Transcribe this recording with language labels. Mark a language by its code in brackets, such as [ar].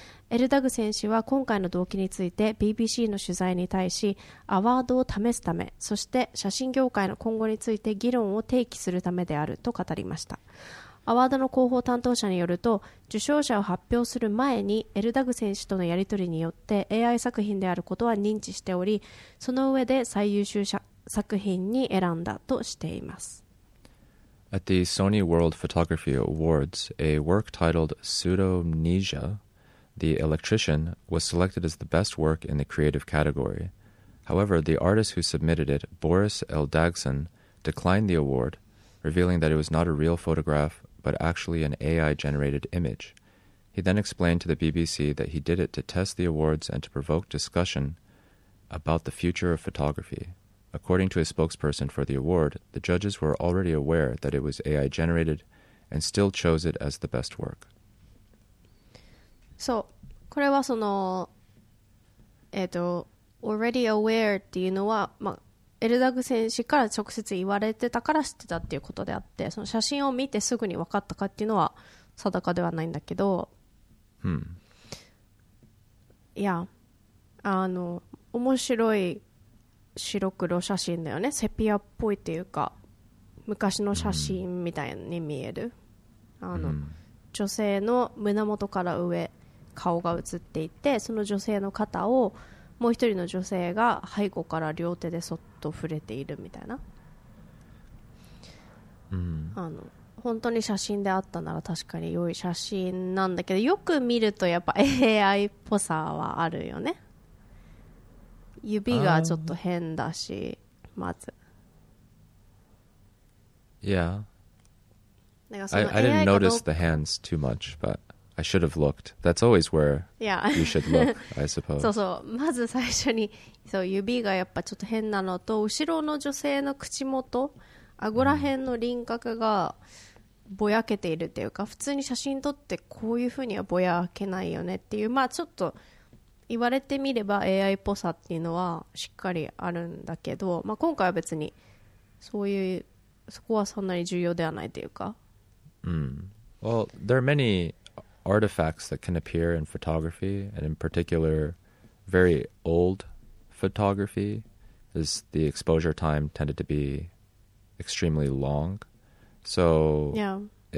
[ja] エルダグセン氏は今回の動機について BBC の取材に対し、アワードを試すため、そして写真業界の今後について議論を提起するためであると語りました。アワードの広報担当者によると、受賞者を発表する前にエルダグセン氏とのやり取りによって AI 作品であることは認知しており、その上で最優秀者作品に選んだとしています。 [en] At the Sony World Photography Awards, a work titled Pseudomnesia, The Electrician, was selected as the best work in the creative category. However, the artist who submitted it, Boris Eldagson, declined the award, revealing that it was not a real photograph, but actually an AI-generated image. He then explained to the BBC that he did it to test the awards and to provoke discussion about the future of photography. According to a spokesperson for the award, the judges were already aware that it was AI generated and still chose it as the best work. [ja] そう、これはその、 [en] already aware [ja] っていうのは、まあ、エルダグ選手から直接言われてたから知ってたっていうことであって、その写真を見てすぐに分かったかっていうのは定かではないんだけど、うん、いや、あの、面白い白黒写真だよね。セピアっぽいっていうか、昔の写真みたいに見える。あの、女性の胸元から上、顔が写っていて、その女性の肩をもう一人の女性が背後から両手でそっと触れているみたいな。あの、本当に写真であったなら確かに良い写真なんだけど、よく見るとやっぱ AI っぽさはあるよね。指がちょっと変だし、まず。 [en] Yeah. I didn't notice the hands too much, but I should have looked. That's always where you should look, I suppose. [ja] そうそう。まず最初に、そう、指がやっぱちょっと変なのと、後ろの女性の口元、あごら辺の輪郭がぼやけているっていうか、普通に写真撮ってこういうふうにはぼやけないよねっていう、まあちょっと、言われてみれば AI っぽさっていうのはしっかりあるんだけど、まあ、今回は別にそういうそこはそんなに重要ではないというか、 [en] Well, there are many artifacts that can appear in photography, and in particular very old photography is the exposure time tended to be extremely long, so